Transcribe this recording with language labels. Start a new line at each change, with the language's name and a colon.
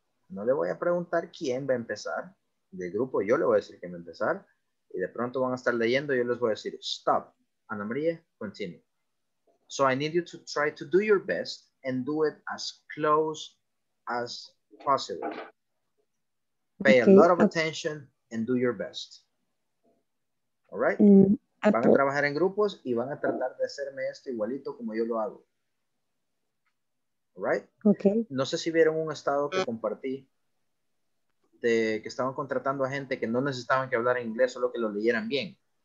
Spanish: No le voy a preguntar quién va a empezar. Del grupo yo le voy a decir quién va a empezar. Y de pronto van a estar leyendo. Yo les voy a decir, stop. Ana María, continue.
English: So I need you to try to do your best and do it as close as possible. Pay a lot of attention and do your best. All right?
Spanish: Van a trabajar en grupos y van a tratar de hacerme esto igualito como yo lo hago.
English: Right? Okay.
Spanish: No sé si vieron un estado que compartí de que estaban contratando a gente que no necesitaban que hablar inglés, solo que lo leyeran bien.